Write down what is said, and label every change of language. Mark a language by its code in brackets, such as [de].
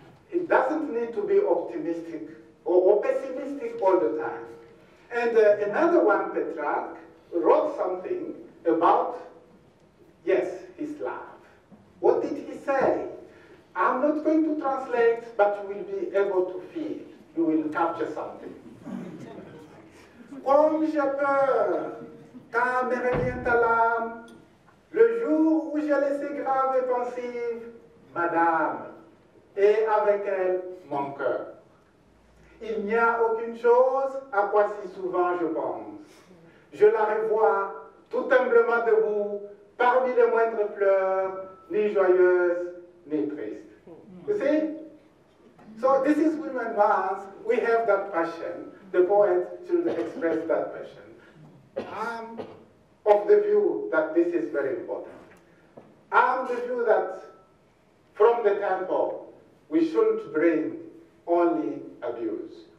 [en] He doesn't need to be optimistic or pessimistic all the time. And another one, Petrarch, wrote something about, yes, his love. What did he say? I'm not going to translate, but you will be able to feel. You will capture something. [fr] Comme j'ai peur, quand me revient à l'âme, le jour où j'ai laissé grave et pensive, madame, et avec elle, mon cœur. Il n'y a aucune chose à quoi si souvent je pense. Je la revois tout humblement debout, parmi les moindres fleurs, ni joyeuse, ni triste. [en] You see? So this is women once, we have that passion. The poet should express that passion. I'm of the view that this is very important. I'm the view that from the temple, we shouldn't bring only abuse.